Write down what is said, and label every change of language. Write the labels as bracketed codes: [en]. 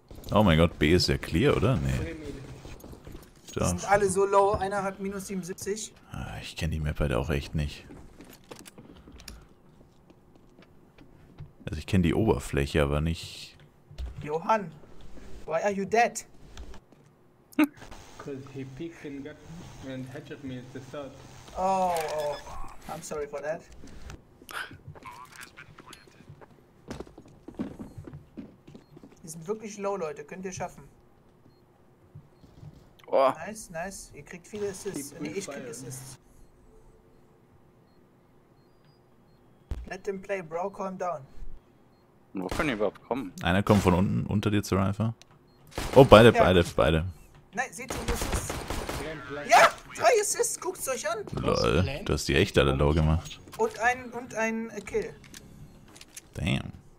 [de] Oh mein Gott, B ist ja clear, oder? Nee. 3 Mil. Die sind alle so low, einer hat minus 77. Ich kenne die Map halt auch echt nicht. Also ich kenne die Oberfläche, aber nicht... [en] Johann, why are you dead? Because he peeked and got and hatched me at the start. Oh, oh, I'm sorry for that. [de] Sind wirklich low, Leute, könnt ihr schaffen. Oh. Nice, nice. Ihr kriegt viele Assists. Nee, ich krieg Assists. [en] Let them play, bro, calm down. [de] Wo können die überhaupt kommen? Einer kommt von unten unter dir, Zerifa. Oh, beide, ja, beide, okay. Beide. Nein, seht ihr, das ist. Ja! 3 Assists, guckt's euch an! Lol, du hast die echt alle low gemacht. Und ein Kill. Damn.